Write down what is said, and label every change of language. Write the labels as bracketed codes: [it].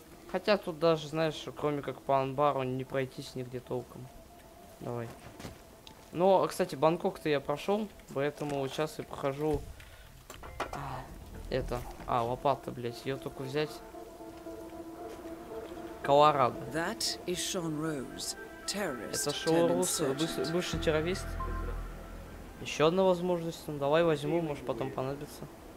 [ru] Хотя тут даже, знаешь, кроме как по амбару, не пройтись нигде толком. Давай. Ну, кстати, Бангкок-то я прошел, поэтому сейчас я прохожу... Это. А, лопата, блять, ее только взять. Колорадо. [en] That is Sean Rose, terrorist. [ru] Это Шон Роуз, бывший террорист. Еще одна возможность. Ну, давай возьму, может потом понадобится.